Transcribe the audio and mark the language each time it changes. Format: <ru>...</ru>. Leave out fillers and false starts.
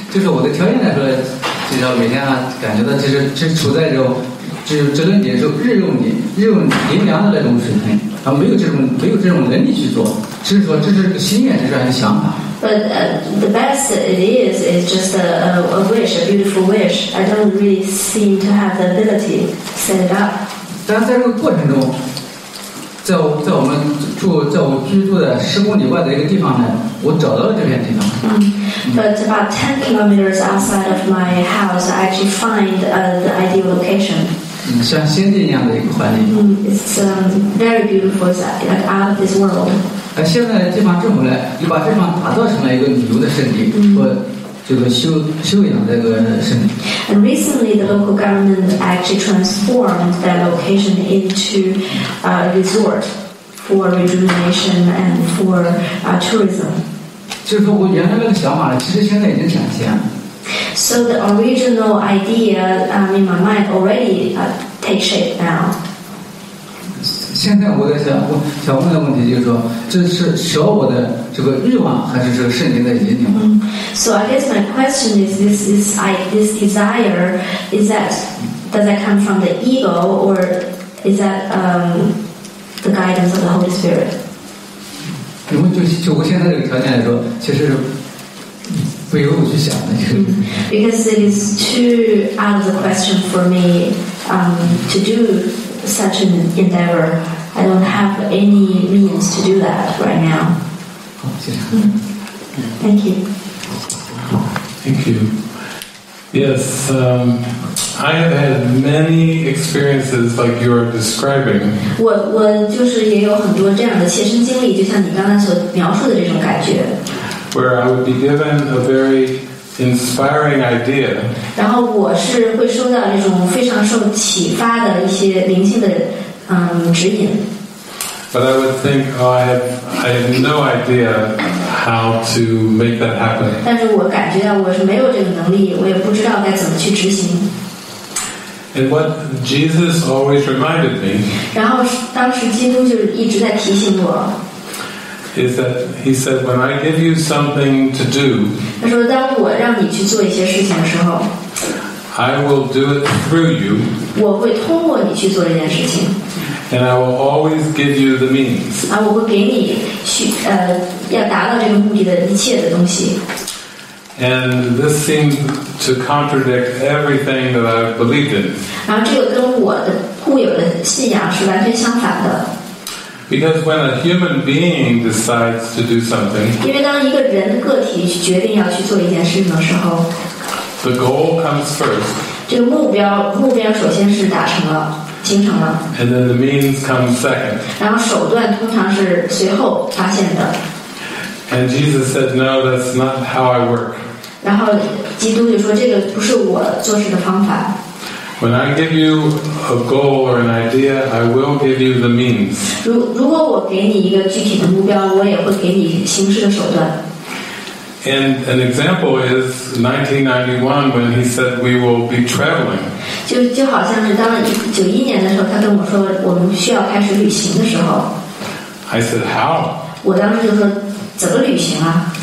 <zh>我的条件来说，就是每天啊，感觉到其实处在这种。只有这种点是日用灵粮的那种水平，他没有这种能力去做，只是说这是心愿，这是一个想法。</zh> <en>But the best it is just a wish, a beautiful wish. I don't really seem to have the ability to set it up.</en> <zh>但在这个过程中，在我们住在我居住的10公里外的一个地方呢，我找到了这片地方。</zh> <en>But about 10 kilometers outside of my house, I actually find the ideal location.</en> <zh>像仙境一样的一个环境。</zh> <en>It's very beautiful. It's like out of this world.</en> <zh>哎，现在这方正回来，你把这方打造成了一个旅游的圣地，和这个修养这个圣地。</zh> <en>And recently, the local government actually transformed that location into a resort for rejuvenation and for tourism.</en> <zh>就是说我原来那个想法呢，其实现在已经展现了。</zh> <en>So the original idea in my mind already takes shape now.</en> <zh>现在我在想问的问题就是说，这是舍我的这个欲望，还是这个圣灵在引领？</zh> <en>So I guess my question is, this desire, is that, does that come from the ego, or is that the guidance of the Holy Spirit?</en> <zh>因为就我现在这个条件来说，其实是不由我去想的。</zh> <en>Because it is too out of the question for me to do such an endeavor. I don't have any means to do that right now.</en> <zh>好，谢谢。</zh> <en>Thank you. Thank you. Yes, I have had many experiences like you are describing.</en> <zh>我就是也有很多这样的切身经历，就像你刚才所描述的这种感觉。</zh> <en>Where I would be given a very inspiring idea.</en> <zh>然后我是会收到一种非常受启发的一些灵性的指引。</zh> <en>But I would think, I have no idea how to make that happen.</en> <zh>但是我感觉到我是没有这个能力，我也不知道该怎么去执行。</zh> <en>And what Jesus always reminded me.</en> <zh>然后当时基督就一直在提醒我。</zh> <en>Is that he said, when I give you something to do,</en> <zh>他说当我让你去做一些事情的时候，</zh> <en>I will do it through you,</en> <zh>我会通过你去做这件事情，</zh> <en>and I will always give you the means,</en> <zh>我会给你去要达到这个目的的一切的东西。</zh> <en>And this seemed to contradict everything that I believed in.</en> <zh>然后这个跟我的固有的信仰是完全相反的。</zh> <en>Because when a human being decides to do something,</en> <zh>因为当一个人个体决定要去做一件事情的时候，</zh> <en>the goal comes first.</en> <zh>这个目标首先是达成了，形成了。</zh> <en>And then the means come second.</en> <zh>然后手段通常是随后发现的。</zh> <en>And Jesus said, "No, that's not how I work."</en> <zh>然后基督就说，这个不是我做事的方法。</zh> <en>When I give you a goal or an idea, I will give you the means.</en> <zh>如果我给你一个具体的目标，我也会给你行事的手段。</zh> <en>And an example is 1991 when he said we will be traveling.</en> <zh>就好像是当91年的时候，他跟我说我们需要开始旅行的时候。</zh> <en>I said how?</en> <zh>我当时就说怎么旅行啊？</zh>